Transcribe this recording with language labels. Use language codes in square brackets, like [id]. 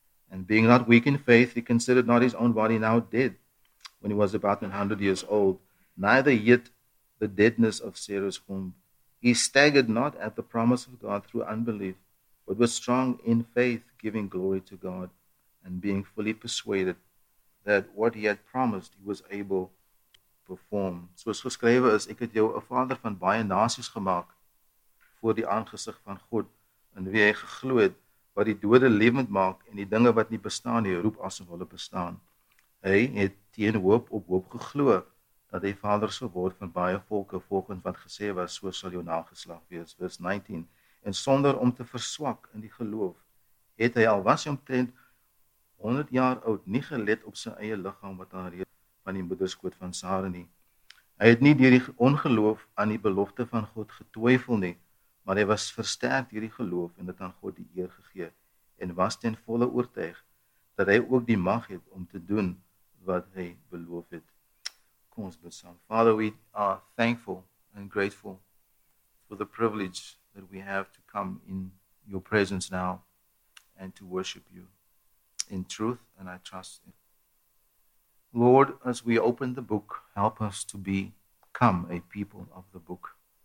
[en] And being not weak in faith, he considered not his own body now dead, when he was about 100 years old, neither yet the deadness of Sarah's womb. He staggered not at the promise of God through unbelief, but was strong in faith, giving glory to God, and being fully persuaded that what he had promised he was able to perform. [af] Soos geskrywe is, ek het jou 'n vader van baie nasies gemaak voor die aangesig van God, in wie hy geglo het, wat die dode lewend maak en die dinge wat nie bestaan nie roep asof hulle bestaan. Hy het teen hoop op hoop geglo dat hy vader sou word van baie volke volgens wat gesê was, so sal jou nageslag wees, vers 19. En sonder om te verswak in die geloof, het hy al was hy omtrent 100 jaar oud, nie gelet op sy eie liggaam wat daar reeds van die moederskoot van Sara nie. Hy het nie deur die ongeloof aan die belofte van God getwyfel nie, maar hy was versterk deur die geloof en het aan God die eer gegee en was ten volle oortuig dat hy ook die mag het om te doen wat hy beloof het. Kom ons bid saam. [en] Father, we are thankful and grateful for the privilege that we have to come in your presence now and to worship you in truth, and I trust it. Lord, as we open the book, help us to become a people of the book.